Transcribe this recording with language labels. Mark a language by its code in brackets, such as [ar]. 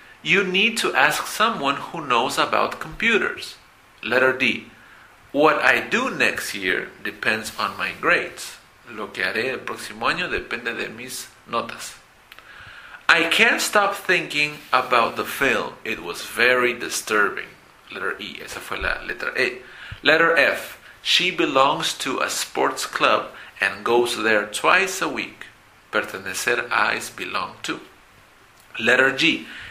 [en] You need to ask someone who knows about computers. Letter D. What I do next year depends on my grades. [es] Lo que haré el próximo año depende de mis notas. [en] I can't stop thinking about the film. It was very disturbing. Letter E. [es] Esa fue la letra E. [en] Letter F. She belongs to a sports club and goes there twice a week. Pertenecer a is belong to. Letter G.